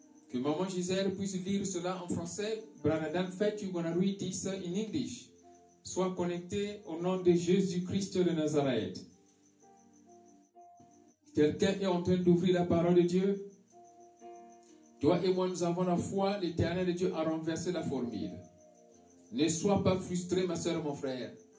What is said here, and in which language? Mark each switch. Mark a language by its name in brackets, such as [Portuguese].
[French] Que Maman Gisèle puisse lire cela en français. [English] Brother Dan, you're going to read this in English. [French] Sois connecté au nom de Jésus-Christ de Nazareth. Quelqu'un est en train d'ouvrir la parole de Dieu. Toi et moi, nous avons la foi. L'Éternel de Dieu a renversé la formule. Ne sois pas frustré, ma soeur, mon frère.